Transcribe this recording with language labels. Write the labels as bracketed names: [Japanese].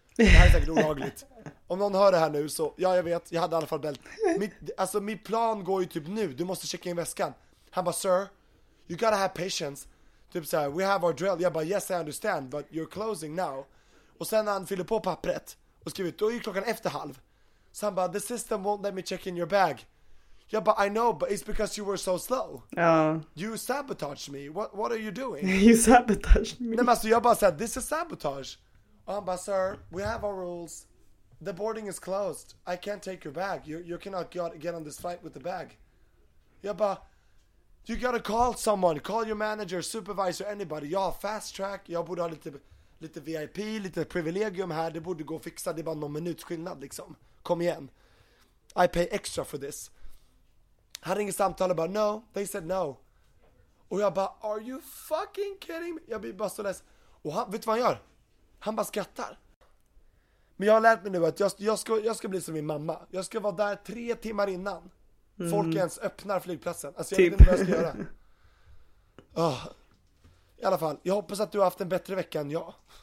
[Swedish] Det här är säkert olagligt. Om någon hör det här nu så, ja jag vet, jag hade i alla fall bält. Alltså min plan går ju typ nu, du måste checka in väskan. Han bara, [English] sir, you gotta have patience. [Swedish] Typ så här, [English] we have our drill. [Swedish] Jag bara, [English] yes I understand, but you're closing now. [Swedish] Och sen han fyller på pappret och skriver, då är ju klockan efter halv. Så han bara, [English] the system won't let me check in your bag. [Swedish] Jag bara, [English] I know, but it's because you were so slow. You sabotaged me, what are you doing? You sabotaged me. [Swedish] Nej men alltså jag bara såhär, [English] this is sabotage. [Swedish] Och han bara, [English] sir, we have our rules. The boarding is closed. I can't take your bag. You cannot get on this flight with the bag. [Swedish] Jag bara, [English] you gotta call someone. Call your manager, supervisor, anybody. [Swedish] Jag har [English] fast track. [Swedish] Jag borde ha lite VIP, lite privilegium här. Det borde gå fixa. Det är bara någon minuts skillnad liksom. Kom igen. [English] I pay extra for this. [Swedish] Han ringer samtal och bara, no. [English] They said no. [Swedish] Och jag bara, [English] are you fucking kidding me? [Swedish] Jag blir bara så less. Och han, vet du vad han gör? Han bara skrattar. Men jag har lärt mig nu att jag ska bli som min mamma. Jag ska vara där 3 timmar innan. Mm. Folk ens öppnar flygplatsen. Alltså jag vet inte vad jag ska göra. Oh. I alla fall. Jag hoppas att du har haft en bättre vecka än jag.